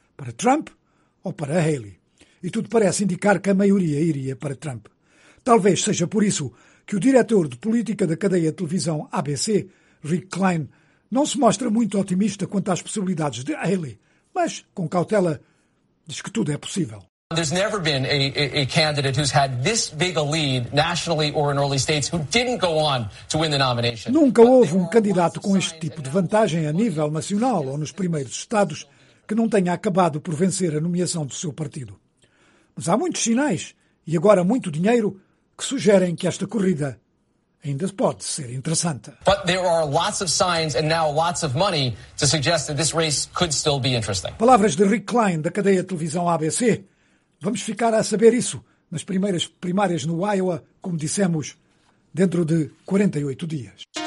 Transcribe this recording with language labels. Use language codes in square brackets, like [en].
[pt] Para Trump ou para Haley? E tudo parece indicar que a maioria iria para Trump. Talvez seja por isso que o diretor de política da cadeia de televisão ABC, Rick Klein, não se mostra muito otimista quanto às possibilidades de Haley, mas, com cautela, diz que tudo é possível. [en] There's never been a candidate who's had this big a lead nationally or in early states who didn't go on to win the nomination. [pt] Nunca houve um candidato com este tipo de vantagem a nível nacional ou nos primeiros estados que não tenha acabado por vencer a nomeação do seu partido. Mas há muitos sinais e agora muito dinheiro, que sugerem que esta corrida ainda pode ser interessante. [en] But there are lots of signs and now lots of money to suggest that this race could still be interesting. [pt] Palavras de Rick Klein, da cadeia de televisão ABC. Vamos ficar a saber isso nas primeiras primárias no Iowa, como dissemos, dentro de 48 dias.